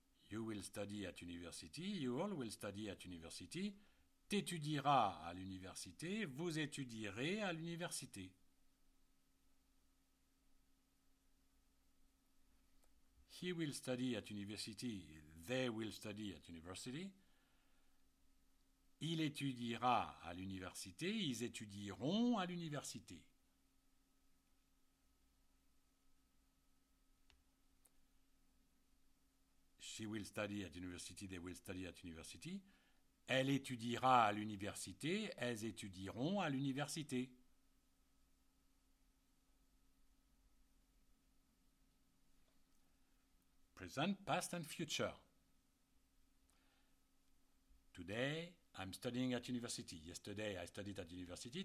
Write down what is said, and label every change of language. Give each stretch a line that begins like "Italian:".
English: You will study at university, you all will study at university.
French: T'étudieras à l'université, vous étudierez à l'université.
English: He will study at university, they will study at university.
French: Il étudiera à l'université, ils étudieront à l'université.
English: She will study at university, they will study at university.
French: Elle étudiera à l'université, elles étudieront à l'université.
English: Present, past and future. Today I'm studying at university. Yesterday I studied at university.